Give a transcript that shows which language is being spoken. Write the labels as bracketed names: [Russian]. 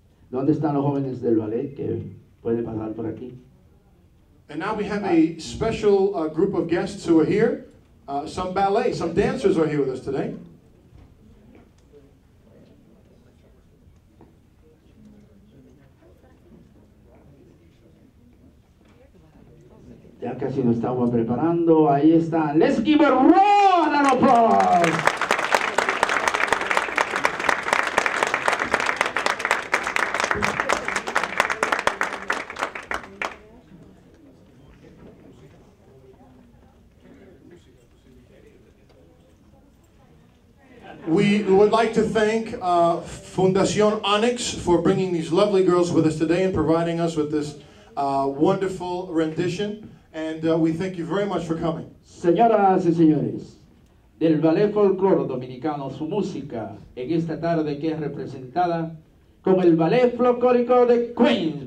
[Spanish] ¿Dónde están los jóvenes del ballet que pueden pasar por aquí? [English] And now we have a special group of guests who are here. Some ballet, some dancers are here with us today. [Spanish] Ya casi nos estamos preparando. Ahí están. [English] Let's give a round of applause. I'd like to thank Fundación Onyx for bringing these lovely girls with us today and providing us with this wonderful rendition. And we thank you very much for coming. [Spanish] Señoras y señores, del ballet folclore dominicano, su música en esta tarde que es representada con el ballet folclórico de Queens.